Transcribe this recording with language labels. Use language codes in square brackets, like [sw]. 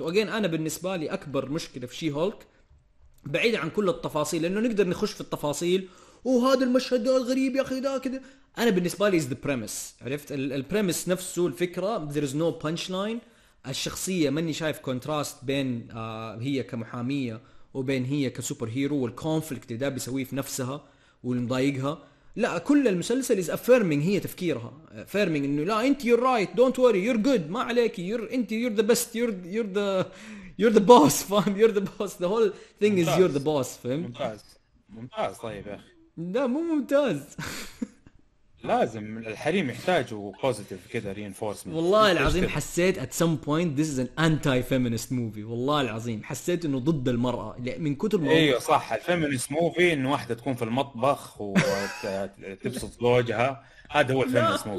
[ar] وأجين أنا بالنسبة لي أكبر مشكلة في شي هولك بعيدة عن كل التفاصيل, لأنه نقدر نخش في التفاصيل وهذا المشهد ده الغريب يا أخي ده كده. أنا بالنسبة لي [en] is the premise, [ar] عرفت البريمس نفسه الفكرة, [en] there is no punchline, [ar] الشخصية ماني شايف كونتراست بين هي كمحامية وبين هي كسوبر هيرو, والكونفليكت ده بيسويه في نفسها والمضايقها. لا كل المسلسل [en] is affirming هي تفكيرها, affirming [ar] انه لا انت [en] you're right don't worry you're good [ar] ما عليك [en] you're, انت you're the best you're the boss فاهم, you're the boss, the whole thing ممتاز. Is you're the boss فاهم. [ar] ممتاز طيب يا اخي. لا مو ممتاز. لازم الحريم يحتاج وبوزيتيف كده reinforcement. والله العظيم حسيت [en] at some point this is an anti-feminist movie, [ar] والله العظيم حسيت انه ضد المرأة من كتر ما ايوه صح. الفيمينست موفي ان واحدة تكون في المطبخ وتبسط زوجها, هذا هو الفيمينست موفي.